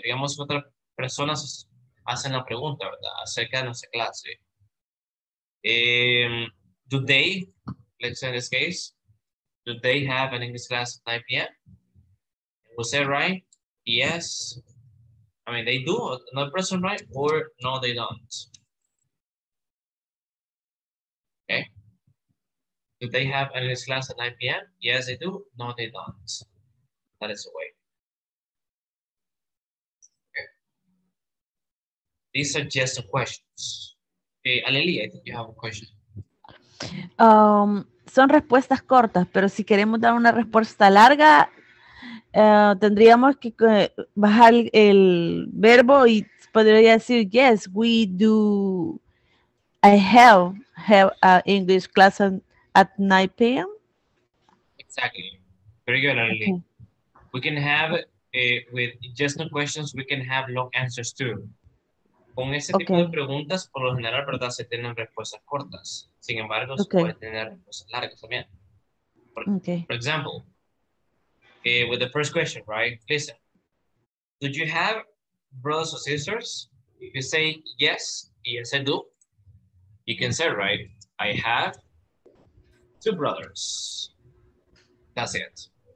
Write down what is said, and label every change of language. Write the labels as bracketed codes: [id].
[es] Digamos que otras personas hacen la pregunta, ¿verdad? Acerca de nuestra clase. [en] Do they, let's say in this case, do they have an English class at 9 p.m.? Was that right? Yes. I mean, they do, another person, right? Or no, they don't. Okay. Do they have an English class at 9 p.m.? Yes, they do. No, they don't. That is the way. Okay. These are just questions. Okay, Aleli, I think you have a question. [es] Son respuestas cortas, pero si queremos dar una respuesta larga, tendríamos que bajar el verbo y podría decir, [en] yes, we do, I have an English class at 9 p.m. Exactly. Very good, Aleli. Okay. We can have, with just no questions, we can have long answers too. [es] con ese [en] okay. [es] tipo de preguntas, por lo general, ¿verdad? Se tienen respuestas cortas. Sin embargo, okay. se puede tener respuestas largas también. [en] For, okay. for example, okay, with the first question, right? Listen, do you have brothers or sisters? If you say yes, yes I do, you can say, right, I have two brothers. That's it.